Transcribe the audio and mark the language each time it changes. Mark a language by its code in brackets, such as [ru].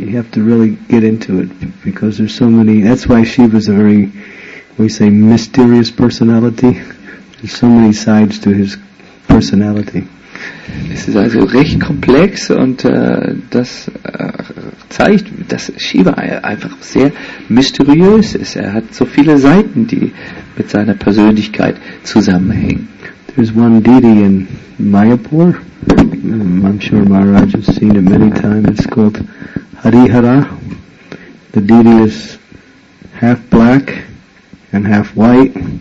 [en] You have to really get into it because there's so many. That's why Shiva is a very, we say, mysterious personality. There's so many sides to his personality. [de] Es ist also recht komplex und das zeigt, dass Shiva einfach sehr mysteriös ist. Er hat so viele Seiten, die mit seiner Persönlichkeit zusammenhängen. [en] There's one deity in Mayapur. I'm sure Maharaj has seen it many times. It's called Harihara. The deity is half black and half white.